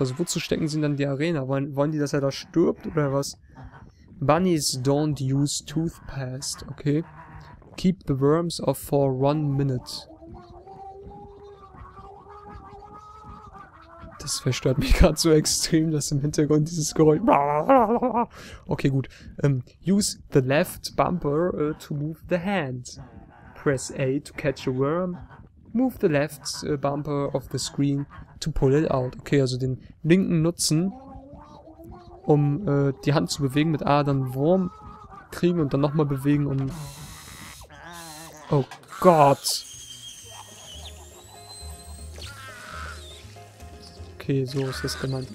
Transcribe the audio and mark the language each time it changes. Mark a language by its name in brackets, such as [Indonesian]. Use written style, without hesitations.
[German] Also wozu stecken sie dann in die Arena? Wollen die, dass er da stirbt oder was? [English] Bunnies don't use toothpaste. Okay. Keep the worms off for 1 minute. [German] Das verstört mich gerade so extrem, dass im Hintergrund dieses Geräusch. Okay, gut. [English] Use the left bumper to move the hand. Press A to catch a worm. Move the left bumper of the screen to pull it out. [German] Okay, also den linken nutzen, um die Hand zu bewegen, mit A dann Wurm kriegen und dann nochmal bewegen, um. Oh Gott! Okay, so ist das gemeint.